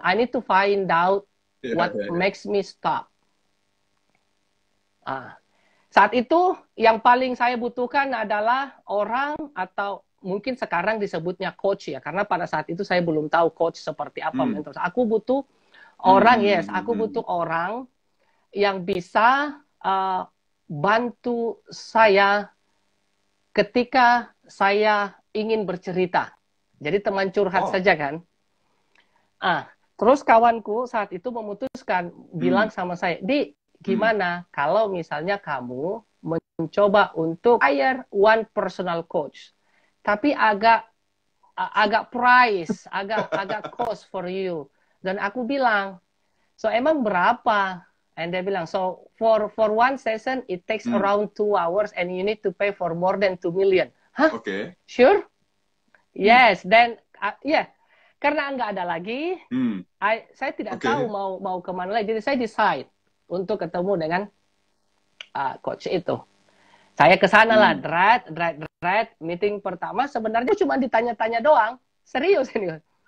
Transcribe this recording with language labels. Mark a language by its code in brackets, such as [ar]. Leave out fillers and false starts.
[en] I need to find out what makes me stop. [id] Saat itu yang paling saya butuhkan adalah orang atau mungkin sekarang disebutnya coach ya, karena pada saat itu saya belum tahu coach seperti apa, mentor. Aku butuh orang, yes, aku butuh orang yang bisa bantu saya ketika saya ingin bercerita. Jadi teman curhat saja kan. Terus kawanku saat itu memutuskan bilang sama saya, "Di, gimana kalau misalnya kamu mencoba untuk [en] hire one personal coach, [id] tapi agak price, agak [en] cost for you?" [id] Dan aku bilang, "So emang berapa?" [en] And [id] dia bilang, [en] "So for one session it takes around 2 hours and you need to pay for more than 2 million." Hah? Oke. Okay. Sure? Yes. [id] Then karena nggak ada lagi, saya tidak Oke. tahu mau mau kemana lagi. Jadi saya decide untuk ketemu dengan coach itu. Saya ke sana lah, [en] dread, dread, dread. [id] Meeting pertama sebenarnya cuma ditanya-tanya doang. Serius ini.